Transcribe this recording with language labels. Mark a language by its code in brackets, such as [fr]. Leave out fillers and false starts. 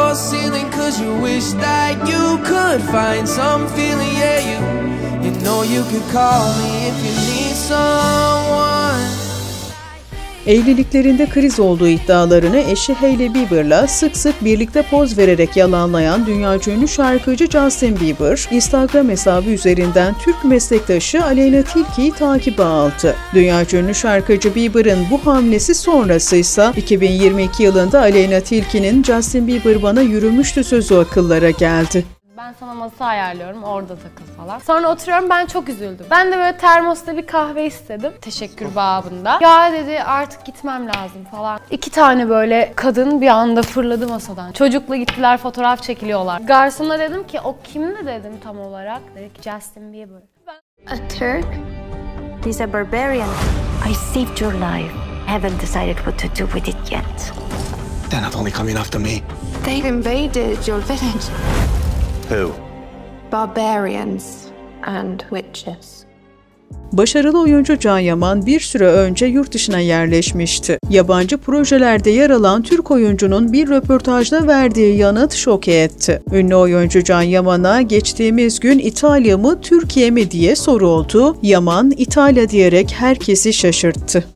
[en] Ceiling, 'cause you wish that you could find some feeling. Yeah, you know you could call me if you need someone. [tr] Evliliklerinde kriz olduğu iddialarını eşi Hailey Bieber'la sık sık birlikte poz vererek yalanlayan dünya ünlü şarkıcı Justin Bieber, Instagram hesabı üzerinden Türk meslektaşı Aleyna Tilki'yi takibe aldı. Dünya ünlü şarkıcı Bieber'ın bu hamlesi sonrası ise 2022 yılında Aleyna Tilki'nin "Justin Bieber bana yürümüştü" sözü akıllara geldi. "Ben sana masa ayarlıyorum, orada takıl" falan. Sonra oturuyorum, ben çok üzüldüm. Ben de böyle termosta bir kahve istedim. Teşekkür babında. "Ya" dedi, "artık gitmem lazım" falan. İki tane böyle kadın bir anda fırladı masadan. Çocukla gittiler, fotoğraf çekiliyorlar. Garsona dedim ki, "O kimdi?" dedim tam olarak. Dedi ki, "Justin Bieber." [en] "A Turk? He's a barbarian. I saved your life. Haven't decided what to do with it yet." "They're not only coming after me." "They've invaded your village." "Who?" "Barbarians and witches." [tr] Başarılı oyuncu Can Yaman bir süre önce yurt dışına yerleşmişti. Yabancı projelerde yer alan Türk oyuncunun bir röportajda verdiği yanıt şok etti. Ünlü oyuncu Can Yaman'a geçtiğimiz gün "İtalya mı, Türkiye mi?" diye soruldu. Yaman, "İtalya" diyerek herkesi şaşırttı.